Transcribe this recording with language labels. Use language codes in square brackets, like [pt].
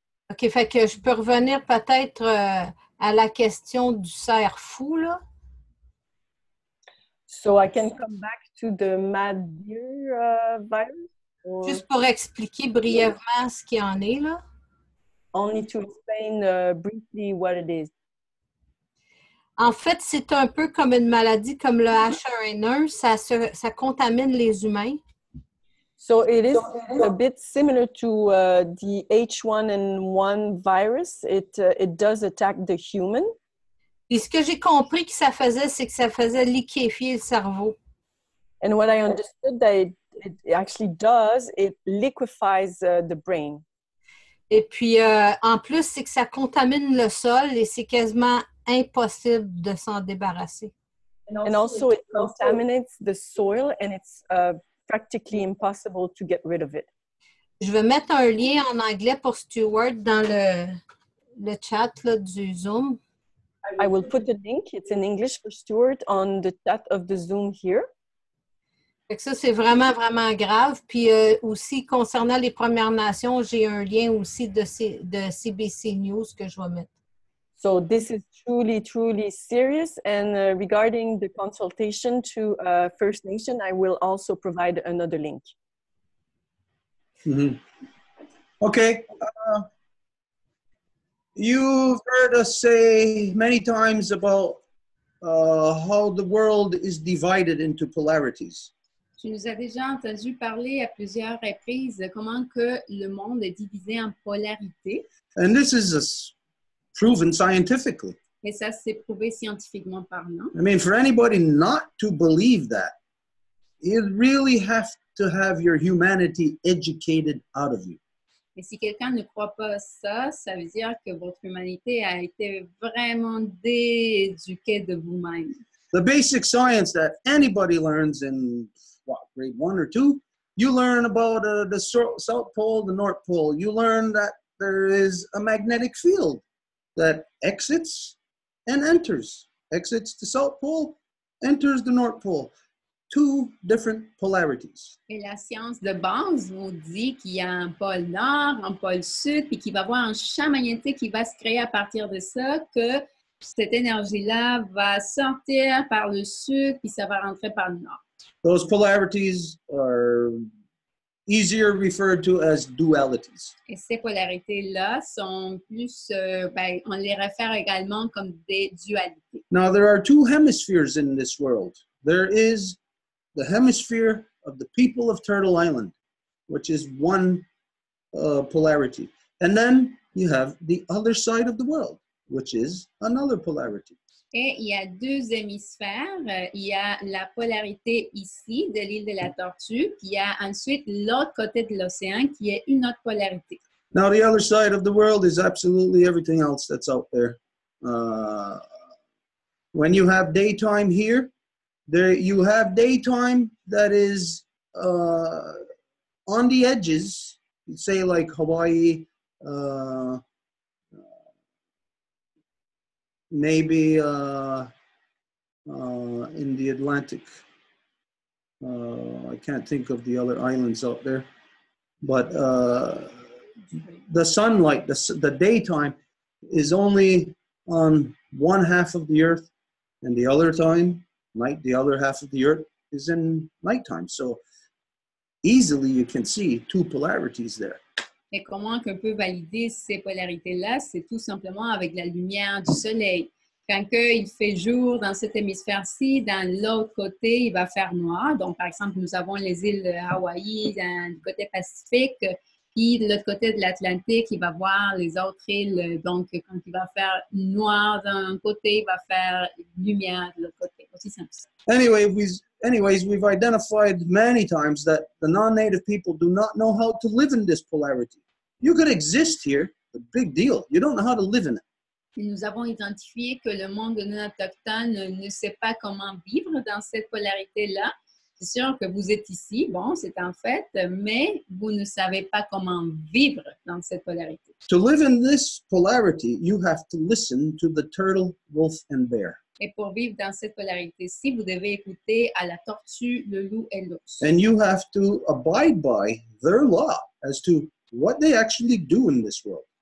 [fr] OK, fait que je peux revenir peut-être à la question du cerf fou, là. [en] So I can come back to the mad deer virus? Or... [fr] Juste pour expliquer brièvement ce qu'il y en est, là. [en] Only to explain briefly what it is. [fr] En fait, c'est un peu comme une maladie comme le H1N1. Ça contamine les humains. [en] So it is a bit similar to the H1N1 virus. It does attack the human. [fr] Et ce que j'ai compris que ça faisait, c'est que ça faisait liquéfier le cerveau. [en] And what I understood that it actually does, it liquefies the brain. [fr] Et puis, en plus, c'est que ça contamine le sol et c'est quasiment impossible de s'en débarrasser. [en] And also, it contaminates the soil and it's... practically impossible to get rid of it. [fr] Je vais mettre un lien en anglais pour Stuart dans le chat là, du Zoom. [en] I will put the link. It's in English for Stuart on the chat of the Zoom here. [fr] Fait que ça, c'est vraiment, vraiment grave. Puis aussi, concernant les Premières Nations, j'ai un lien aussi de CBC News que je vais mettre. [en] So this is truly, truly serious. And regarding the consultation to First Nation, I will also provide another link. Mm-hmm. Okay. You've heard us say many times about how the world is divided into polarities. [fr] Tu nous as déjà entendu parler à plusieurs reprises comment que le monde est divisé en polarités. [en] And this is proven scientifically. [fr] Et ça s'est prouvé scientifiquement parlant. [en] I mean, for anybody not to believe that, you really have to have your humanity educated out of you. [fr] Et si quelqu'un ne croit pas ça, ça veut dire que votre humanité a été vraiment dééduquée de vous-même. [en] The basic science that anybody learns in grade one or two, you learn about the South Pole, the North Pole. You learn that there is a magnetic field that exits and enters. Exits the South Pole, enters the North Pole. Two different polarities. [fr] Et la science de base vous dit qu'il y a un pôle nord, un pôle sud, puis qu'il va y avoir un champ magnétique qui va se créer à partir de ça, que cette énergie-là va sortir par le sud, puis ça va rentrer par le nord. [en] Those polarities are easier referred to as dualities. [fr] Et ces polarités-là sont plus, on les réfère également comme des dualités. [en] Now, there are two hemispheres in this world. There is the hemisphere of the people of Turtle Island, which is one polarity. And then you have the other side of the world, which is another polarity. [fr] Et il y a deux hémisphères. Il y a la polarité ici de l'île de la Tortue, puis il y a ensuite l'autre côté de l'océan qui est une autre polarité. [en] Now the other side of the world is absolutely everything else that's out there. When you have daytime here, there you have daytime that is on the edges, say like Hawaii, maybe in the Atlantic. I can't think of the other islands out there. But the sunlight, the daytime, is only on one half of the Earth, and the other time, night, the other half of the Earth is in nighttime. So easily you can see two polarities there. [fr] Et comment qu'on peut valider ces polarités-là? C'est tout simplement avec la lumière du soleil. Quand il fait jour dans cet hémisphère-ci, dans l'autre côté, il va faire noir. Donc, par exemple, nous avons les îles Hawaï d'un côté Pacifique, puis de l'autre côté de l'Atlantique, il va voir les autres îles. Donc, quand il va faire noir d'un côté, il va faire lumière de l'autre côté. Aussi simple. [en] Anyways, we've identified many times that the non-native people do not know how to live in this polarity. You could exist here, a big deal. You don't know how to live in it. [fr] Et nous avons identifié que le monde non autochtone ne sait pas comment vivre dans cette polarité-là. C'est sûr que vous êtes ici, bon, c'est un fait, mais vous ne savez pas comment vivre dans cette polarité. [en] To live in this polarity, you have to listen to the turtle, wolf, and bear. [fr] Et pour vivre dans cette polarité-ci, vous devez écouter à la tortue, le loup et l'ours. [en] And you have to abide by their law as to what they actually do in this world.